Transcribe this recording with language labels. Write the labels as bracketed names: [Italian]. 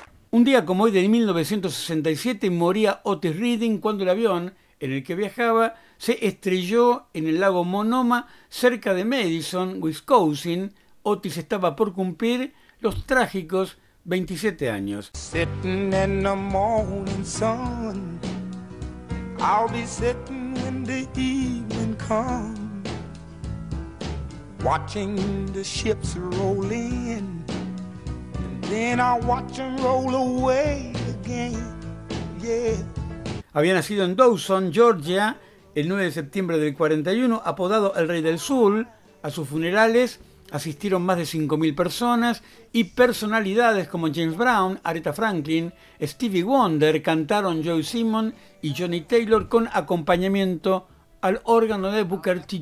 [Spanish] Un día como hoy de 1967 moría Otis Redding cuando el avión en el que viajaba se estrelló en el lago Monoma cerca de Madison, Wisconsin. Otis estaba por cumplir los trágicos 27 años. [English] Sitting in the morning sun, I'll be sitting when the evening comes, watching the ships roll in, and then I'll watch them roll away again, yeah. [Spanish] Había nacido en Dawson, Georgia, el 9 de septiembre del 41, apodado el Rey del Sur. A sus funerales asistieron más de 5.000 personas y personalidades como James Brown, Aretha Franklin, Stevie Wonder cantaron Joe Simon y Johnny Taylor con acompañamiento al órgano de Booker T.